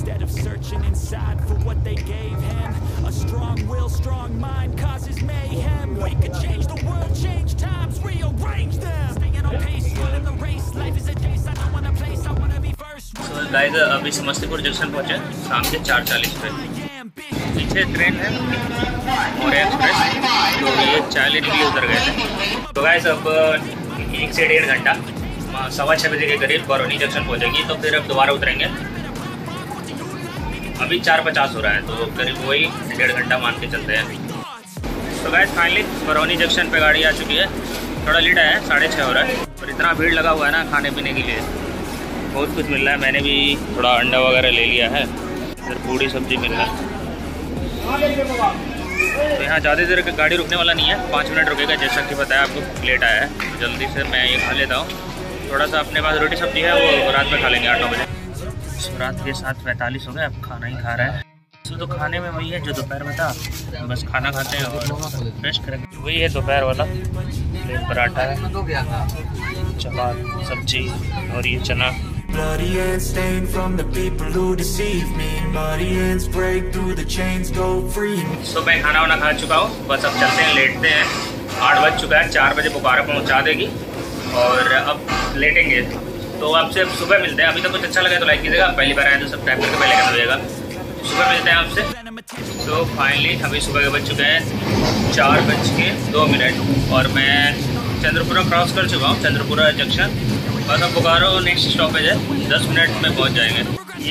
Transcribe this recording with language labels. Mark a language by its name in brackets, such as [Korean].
[English] Searching inside for what they gave him. A strong will, strong mind causes mayhem. We could change the world, change times, rearrange them. Staying on pace, running the race. Life is a chase, I don't want a place, I want to be first. So guys, [Hindi] अभी Samastipur junction पहुंचे हैं, शाम के 4:40 पे। पीछे train है Maurya express, जो ये 40 के लिए उतर गए थे। तो गाइस अब 1 से 1.5 घंटा 6:15 बजे के करीब बरौनी जंक्शन पहुंचेगी, तो फिर अब दोबारा उतरेंगे। अभी 4:50 हो रहा है, तो करीब वही 1.5 घंटा मान के चलते हैं। तो गाइस फाइनली बरौनी जंक्शन पे गाड़ी आ चुकी है, थोड़ा लेट आया है, 6:30 हो रहा है, और इतना भीड़ लगा हुआ है ना खाने पीने के लिए, बहुत कुछ मिल रहा है। मैंने भी थोड़ा अंडा वगैरह ले लिया है, फिर पूरी सब्जी मिल रहा है। तो यहाँ ज़्यादा देर का गाड़ी रुकने वाला नहीं है, 5 मिनट रुकेगा, जैसा कि बताया आपको लेट आया है, जल्दी से मैं ये खा लेता हूँ। थोड़ा सा अपने पास रोटी सब्जी है, वो रात में खा लेंगे 8-9 बजे। रात के 7:45 हो गए, अब खाना ही खा रहे हैं। तो खाने में वही है जो दोपहर में था, बस खाना खाते हैं और रेस्ट करेंगे। वही है दोपहर वाला प्लेन पराठा है, चपात सब्जी और ये चना। [English] Bloody hands stained from the people who deceive me. Bloody hands break through the chains, go free. [Hindi] So मैं खाना वाना खा चुका हूँ, बस अब चलते हैं, लेटते हैं। 8 बज चुका है, 4 बजे बुखारा पहुँचा देगी और अब लेटेंगे। तो आपसे सुबह मिलते हैं, अभी तक कुछ अच्छा लगे तो लाइक कीजिएगा, पहली बार आए तो सब्सक्राइब करके पहले करना होगा। सुबह मिलते हैं आपसे। तो फाइनली अभी सुबह के बज चुके हैं 4:02 और मैं चंद्रपुरा क्रॉस कर चुका हूँ, चंद्रपुरा जंक्शन, बस अब बोकारो नेक्स्ट स्टॉपेज है, 10 मिनट में पहुँच जाएंगे।